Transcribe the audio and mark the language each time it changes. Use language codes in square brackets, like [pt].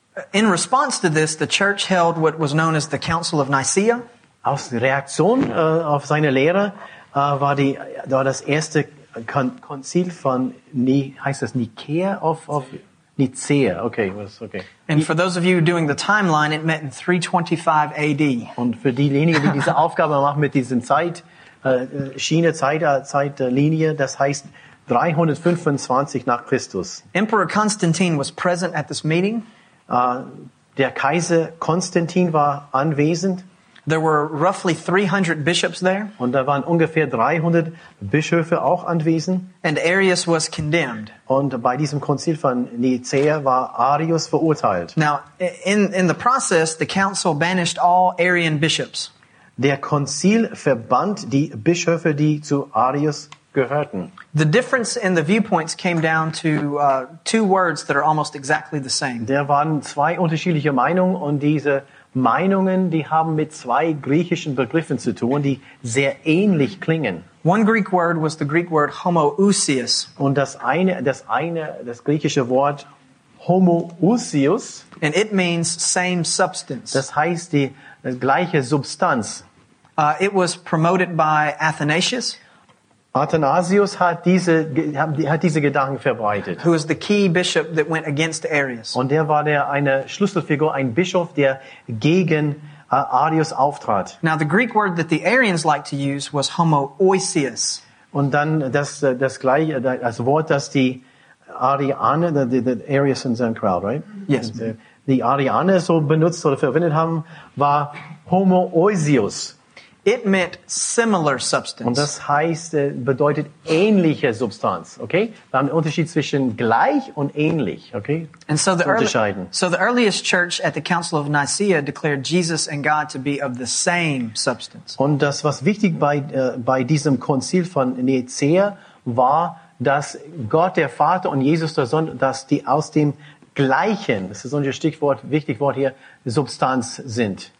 [en] In response to this, the church held what was known as the Council of Nicaea. [de] Aus Reaktion auf seine Lehre war das erste Konzil von Nicaea auf Nicaea, okay, was okay. [en] And for those of you doing the timeline, it met in 325 AD. [de] Und für diejenigen, die diese Aufgabe machen mit diesem Zeitlinie, das heißt 325 nach Christus. [en] Emperor Constantine was present at this meeting. [de] Der Kaiser Konstantin war anwesend. [en] There were roughly 300 bishops there. [de] Und da waren ungefähr 300 Bischöfe auch anwesend. [en] And Arius was condemned. [de] Und bei diesem Konzil von Nicaea war Arius verurteilt. [en] Now, in the process, the council banished all Arian bishops. [de] Der Konzil verbannt die Bischöfe, die zu Arius gehörten. [en] The difference in the viewpoints came down to two words that are almost exactly the same. [de] Da waren zwei unterschiedliche Meinungen, und diese Meinungen, die haben mit zwei griechischen Begriffen zu tun, die sehr ähnlich klingen. [en] One Greek word was the Greek word homoousios. [de] Und das griechische Wort homoousios. [en] And it means same substance. [de] Das heißt die gleiche Substanz. [en] It was promoted by Athanasius. [de] Athanasius hat diese Gedanken verbreitet. [en] Who was the key bishop that went against Arius? [de] Und der war der eine Schlüsselfigur, ein Bischof, der gegen Arius auftrat. [en] Now the Greek word that the Arians liked to use was homoousios. [de] Und dann das Wort, das die Arianer, [en] the Arius [de] in seinem [en] Crowd, right? Yes. [de] Die Arianer so benutzt oder verwendet haben, war homoousios. [en] It meant similar substance. [de] Und das heißt, bedeutet ähnliche Substanz. Okay? Wir haben einen Unterschied zwischen gleich und ähnlich. Okay? [en] And so the [de] unterscheiden. [en] So the earliest church at the Council of Nicaea declared Jesus and God to be of the same substance. [de] Und das, was wichtig bei diesem Konzil von Nicaea war, dass Gott der Vater und Jesus der Sohn, dass die aus dem gleichen, das ist unser Stichwort, wichtig Wort hier, Substanz sind.